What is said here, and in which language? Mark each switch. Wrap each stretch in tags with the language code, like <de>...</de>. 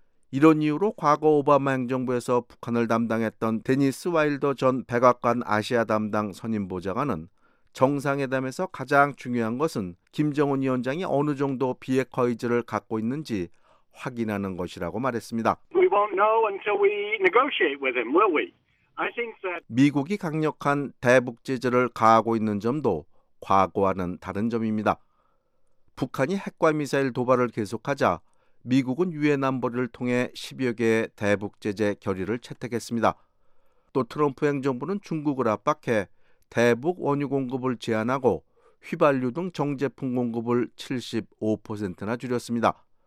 <ko>이런 이유로 과거 오바마 행정부에서 북한을 담당했던 데니스 와일더 전 백악관 아시아 담당 선임보좌관은 정상회담에서 가장 중요한 것은 김정은 위원장이 어느 정도 비핵화 의지를 갖고 있는지 확인하는 것이라고 말했습니다.</ko> <en>We won't know until we negotiate with him, will we? I think that</en> <ko>미국이 강력한 대북 제재를 가하고 있는 점도 과거와는 다른 점입니다. 북한이 핵과 미사일 도발을 계속하자 미국은 유엔 안보리를 통해 10여 개의 대북 제재 결의를 채택했습니다. 또 트럼프 행정부는 중국을 압박해 대북 원유 공급을 제한하고 휘발유 등 정제품 공급을 75%나 줄였습니다.</ko>